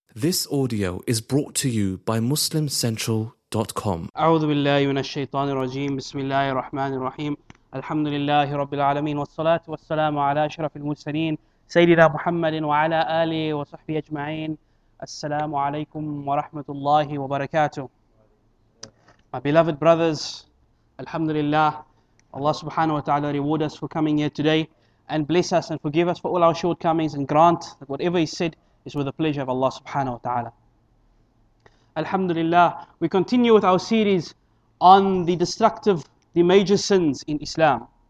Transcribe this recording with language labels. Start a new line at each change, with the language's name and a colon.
English: This audio is brought to you by MuslimCentral.com.
Arabic: أعوذ بالله من الشيطان الرجيم. بسم الله الرحمن الرحيم. الحمد لله رب العالمين، والصلاة والسلام على أشرف المرسلين سيدنا محمد وعلى آله وصحبه أجمعين. السلام عليكم ورحمة الله وبركاته.
English: My beloved brothers, Alhamdulillah, Allah subhanahu wa ta'ala reward us for coming here today and bless us and forgive us for all our shortcomings and grant that whatever He said is with the pleasure of Allah subhanahu wa ta'ala. Alhamdulillah, we continue with our series on the major sins in Islam.